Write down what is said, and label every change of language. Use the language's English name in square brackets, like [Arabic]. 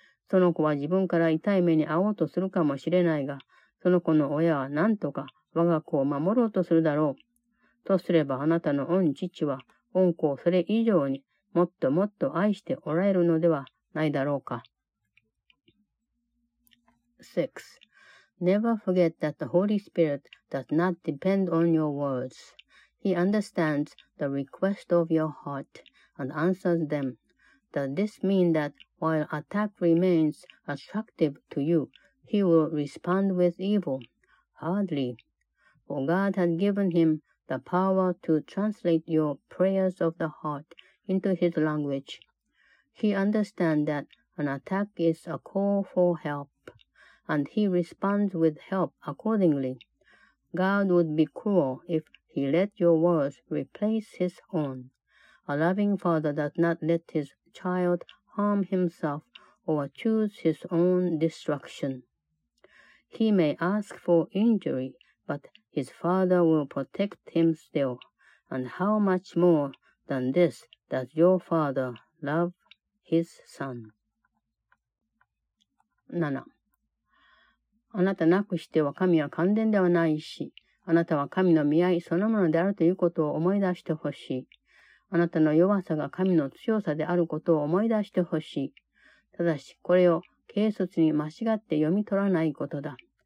[Japanese] その子は自分から痛い目に遭おうとするかもしれないが、その子の親は何とか我が子を守ろうとするだろう。とすれば、あなたの御父は、御子をそれ以上にもっともっと愛しておられるのではないだろうか。 6. [English] Never forget that the Holy Spirit does not depend on your words. He understands the request of your heart and answers them. Does this mean that while attack remains attractive to you, he will respond with evil? Hardly. For God has given him the power to translate your prayers of the heart into his language. He understands that an attack is a call for help. And he responds with help accordingly. God would be cruel if he let your words replace his own. A loving father does not let his child harm himself or choose his own destruction. He may ask for injury, but his father will protect him still. And how much more than this does your father love his son? 7. [Japanese] あなたなくしては神は完全ではないし、あなたは神の見合いそのものであるということを思い出してほしい。あなたの弱さが神の強さであることを思い出してほしい。ただし、これを軽率に間違って読み取らないことだ。